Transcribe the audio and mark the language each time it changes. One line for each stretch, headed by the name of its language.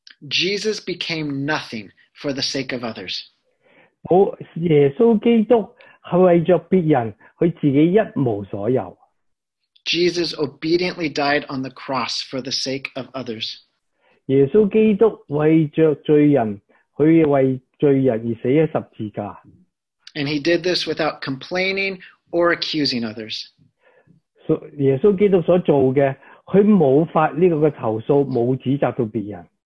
English: Jesus became nothing for the sake of others.
Chinese: 耶稣基督是为着别人，他自己一无所有。
English: Jesus obediently died on the cross for the sake of others.
Chinese: 耶稣基督为着罪人，他为罪人而死在十字架。
English: And he did this without complaining or accusing others.
Chinese: 耶稣基督所做的，他没有发这个投诉，没有指责到别人。